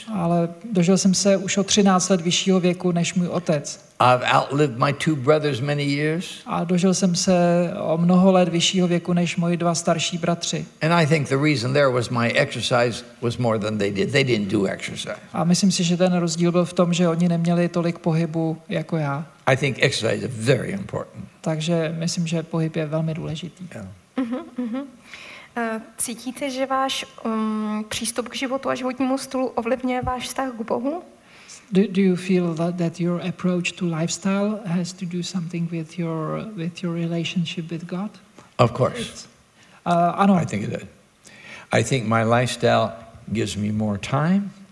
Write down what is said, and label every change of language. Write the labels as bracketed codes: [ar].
[cs] Ale dožil jsem se už o 13 let vyššího věku než můj otec. [en] I've outlived my two brothers many years. [cs] A dožil jsem se o mnoho let vyššího věku než moji dva starší bratři. [en] And I think the reason there was my exercise was more than they did. They didn't do exercise. [cs] A myslím si, že ten rozdíl byl v tom, že oni neměli tolik pohybu jako já. [en] I think exercise is very important. [cs] Takže myslím, že pohyb je velmi důležitý. Yeah. Cítíte, že váš přístup k životu a životnímu stylu ovlivňuje váš vztah k Bohu? [en] Do you feel that your approach to lifestyle has to do something with your relationship with God? Of course. [cs] Ano. [en] I think that. I think my lifestyle gives me more time.